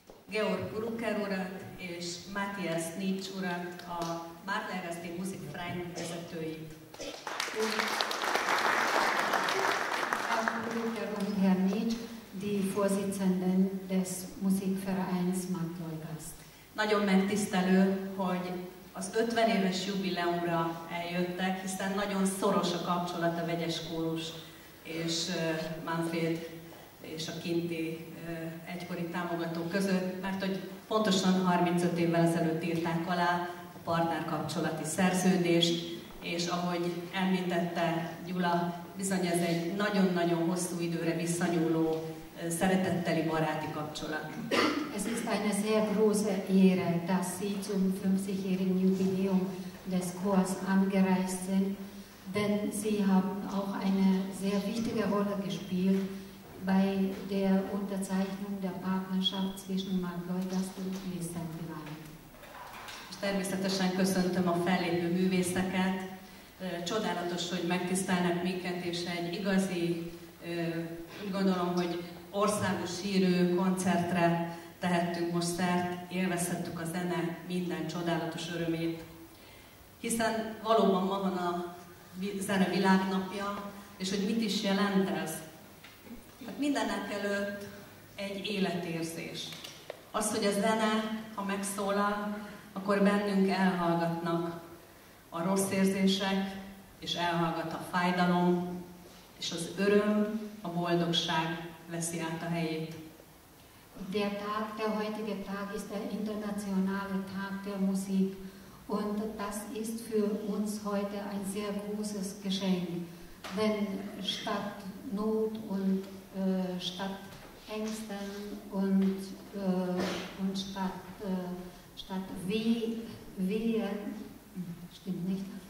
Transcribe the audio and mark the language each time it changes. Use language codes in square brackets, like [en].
[hu] Georg Brucker urat és Matthias Nitsch urat, a Mártaelveszti Musikverein vezetőit. [de] Herr Brucker und Herr Nitsch, die Vorsitzenden des Musikvereins Mártaelveszt. [hu] Nagyon megtisztelő, hogy az 50 éves jubileumra eljöttek, hiszen nagyon szoros a kapcsolat a vegyes kórus és Manfred és a kinti egykori támogató között, mert hogy pontosan 35 évvel ezelőtt írták alá a partnerkapcsolati szerződést, és ahogy említette Gyula, bizony ez egy nagyon-nagyon hosszú időre visszanyúló szeretetteli baráti kapcsolat. [de] Es ist eine sehr große Ehre, dass Sie zum 50-jährigen Jubiläum des Chors angereist sind, denn Sie haben auch eine sehr wichtige Rolle gespielt bei der Unterzeichnung der Partnerschaft zwischen Mártaelveszt und Filiszent Iván. [hu] És természetesen köszöntöm a fellépő művészeket. Csodálatos, hogy megtisztelnek minket, és egy igazi, úgy gondolom, hogy országos hírű koncertre tehettünk most szert, élvezhettük a zene minden csodálatos örömét. Hiszen valóban ma van a zene világnapja, és hogy mit is jelent ez? Hát mindenek előtt egy életérzés. Az, hogy a zene, ha megszólal, akkor bennünk elhallgatnak a rossz érzések, és elhallgat a fájdalom, és az öröm, a boldogság veszi át a helyét. [de] Der Tag, der heutige Tag ist der internationale Tag der Musik, und das ist für uns heute ein sehr großes Geschenk, denn statt Not und statt Ängsten und statt Wehen, stimmt nicht,